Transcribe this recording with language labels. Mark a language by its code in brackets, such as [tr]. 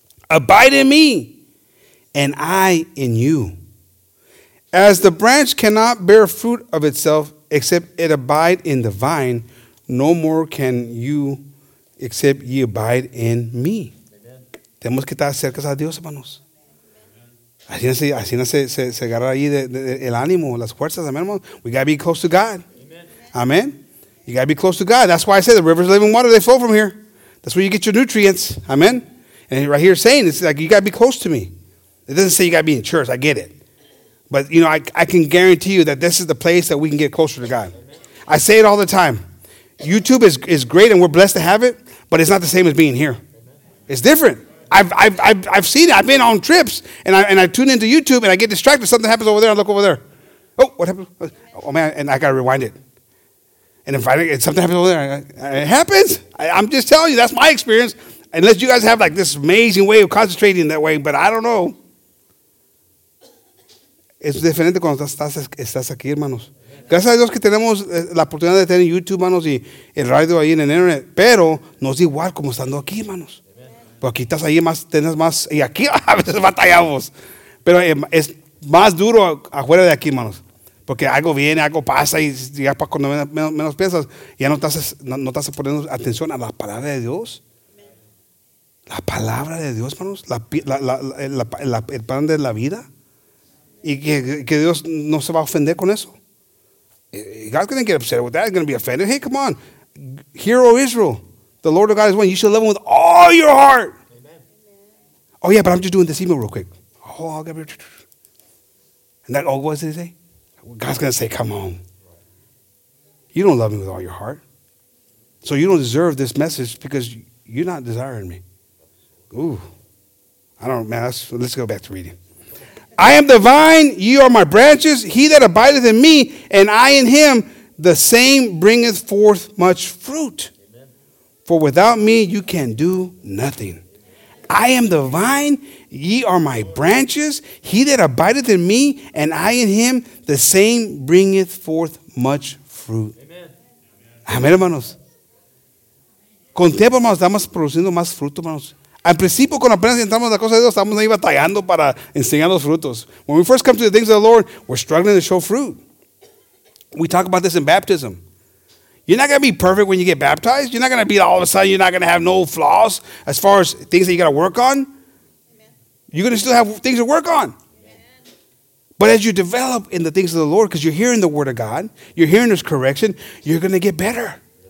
[en] Abide in me, and I in you. As the branch cannot bear fruit of itself, except it abide in the vine, no more can you, except ye abide in me. [es] Tenemos que estar cerca a Dios, hermanos. Así se agarra ahí el ánimo, las fuerzas, amén, hermano. [en] We got to be close to God. Amen. Amen. You got to be close to God. That's why I say the rivers of living water, they flow from here. That's where you get your nutrients. Amen. And right here saying, it's like, you got to be close to me. It doesn't say you got to be in church. I get it. But, you know, I can guarantee you that this is the place that we can get closer to God. Amen. I say it all the time. YouTube is great and we're blessed to have it, but it's not the same as being here. Amen. It's different. I've seen it. I've been on trips, and I tune into YouTube, and I get distracted. Something happens over there. I look over there. Oh, what happened? Oh, man, and I got to rewind it. And if something happens over there, it happens. I'm just telling you. That's my experience. Unless you guys have, like, this amazing way of concentrating that way, but I don't know. [es] Es diferente cuando estás aquí, hermanos. Gracias a Dios que tenemos la oportunidad de tener YouTube, hermanos, y el radio ahí en el internet. Pero no es igual como estando aquí, hermanos. Pero aquí estás ahí más, tenés más, y aquí a veces batallamos. Pero es más duro afuera de aquí, hermanos. Porque algo viene, algo pasa, y ya cuando menos piensas, ya no estás poniendo atención a la palabra de Dios. La palabra de Dios, hermanos, el pan de la vida. Y que Dios no se va a ofender con eso. [en] God's going to get upset with that. He's going to be offended. Hey, come on. Hear, O Israel. The Lord of God is one. You should love him with all your heart. Amen. Oh, yeah, but I'm just doing this email real quick. Oh, I'll get it. And that, oh, what does he say? God's going to say, come on. You don't love me with all your heart. So you don't deserve this message because you're not desiring me. Ooh. I don't, man, let's go back to reading. I am the vine, ye are my branches. He that abideth in me, and I in him, the same bringeth forth much fruit. For without me you can do nothing. I am the vine, ye are my branches. He that abideth in me, and I in him, the same bringeth forth much fruit. Amen, hermanos. [es] Con tiempo, hermanos, estamos produciendo más fruto, hermanos. Al principio, cuando apenas entramos en la cosa de Dios, estamos ahí batallando para enseñar los frutos. [en] When we first come to the things of the Lord, we're struggling to show fruit. We talk about this in baptism. You're not going to be perfect when you get baptized. You're not going to be all of a sudden, you're not going to have no flaws as far as things that you got to work on. You're going to still have things to work on. But as you develop in the things of the Lord, because you're hearing the word of God, you're hearing His correction, you're going to get better.